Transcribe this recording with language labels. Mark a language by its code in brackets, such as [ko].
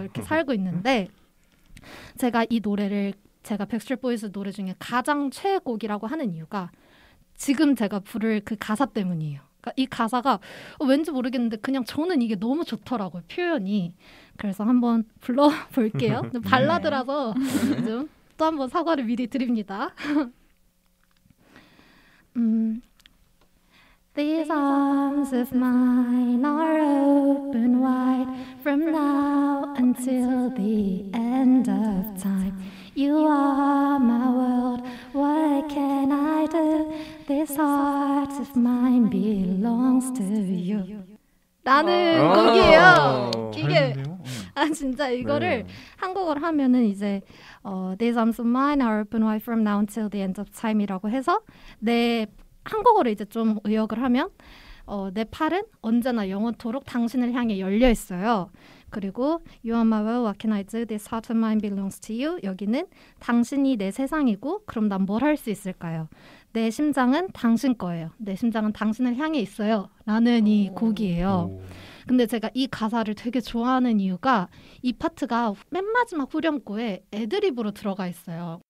[ko] 이렇게 살고 있는데 제가 이 노래를 제가 백스트리트 보이즈 노래 중에 가장 최애곡이라고 하는 이유가 지금 제가 부를 그 가사 때문이에요. 이 가사가 왠지 모르겠는데 그냥 저는 이게 너무 좋더라고요. 표현이. 그래서 한번 불러볼게요. 네. 발라드라서 좀 또 한번 사과를 미리 드립니다. [en] These arms of mine are open wide from now until the end of time. You are my world. What can I do? This heart of mine belongs to you. [ko] 라는 곡이에요. 이게 아 진짜 이거를 네. 한국어로 하면은 이제 [en] These arms of mine are open wide from now until the end of time [ko] 이라고 해서 내 한국어로 이제 좀 의역을 하면 내 팔은 언제나 영원토록 당신을 향해 열려 있어요. [en] 그리고 You are my world, what can I do? This heart of mine belongs to you. [ko] 여기는 당신이 내 세상이고 그럼 난 뭘 할 수 있을까요? 내 심장은 당신 거예요. 내 심장은 당신을 향해 있어요. 라는 이 곡이에요. 근데 제가 이 가사를 되게 좋아하는 이유가 이 파트가 맨 마지막 후렴구에 애드립으로 들어가 있어요.